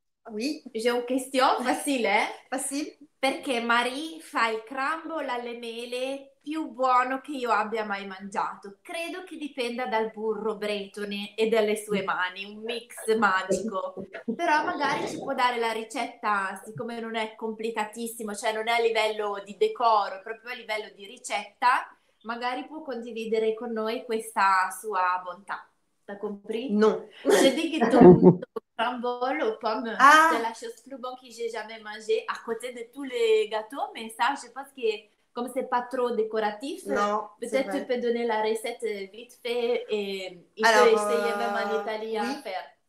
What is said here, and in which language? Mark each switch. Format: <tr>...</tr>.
<fr>Oui, j'ai une question facile, eh? Facile.</fr> <it>Perché Marie fa il crumble alle mele più buono che io abbia mai mangiato. Credo che dipenda dal burro bretone e dalle sue mani, un mix magico. Però magari ci può dare la ricetta, siccome non è complicatissimo, cioè non è a livello di decoro, proprio a livello di ricetta, magari può condividere con noi questa sua bontà.</it> <fr>T'as compris? Non. J'ai dit que ton crumble aux pommes, ah, c'est la chose plus bonne que j'ai jamais mangée à côté de tous les gâteaux, mais ça, je pense que comme c'est pas trop décoratif, non, peut-être tu peux donner la recette vite fait et il alors, peut essayer même en Italie, oui, à faire.</fr>